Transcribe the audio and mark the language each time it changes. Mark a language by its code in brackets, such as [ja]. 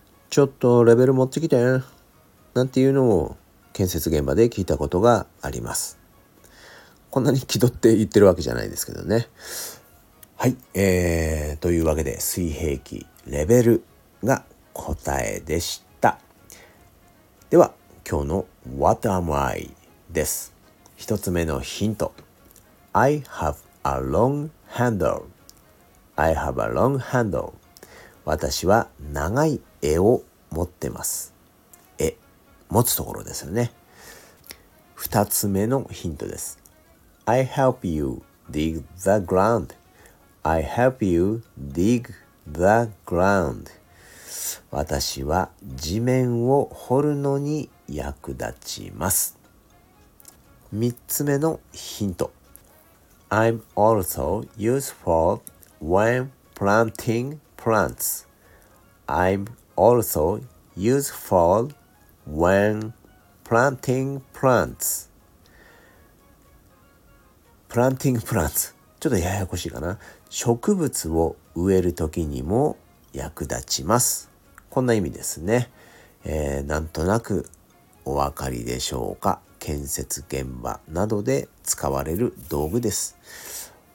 [ja] ちょっとレベル持ってきて、なんていうのを建設現場で聞いたことがあります。こんなに気取って言ってるわけじゃないですけどね。はい、というわけで水平器、レベルが答えでした。では今日の [en] What am I? [ja] です。一つ目のヒント、 [en] I have a long handle. I have a long handle. [ja] 私は長い柄を持ってます。柄、持つところですよね。二つ目のヒントです。 [en] I help you dig the ground. I help you dig the ground. [ja] 私は地面を掘るのに役立ちます。 3つ目のヒント、 [en] I'm also useful when planting plants. I'm also useful when planting plants. Planting plants、 [ja] ちょっとややこしいかな。植物を植えるときにも役立ちます。こんな意味ですね。なんとなくお分かりでしょうか。建設現場などで使われる道具です。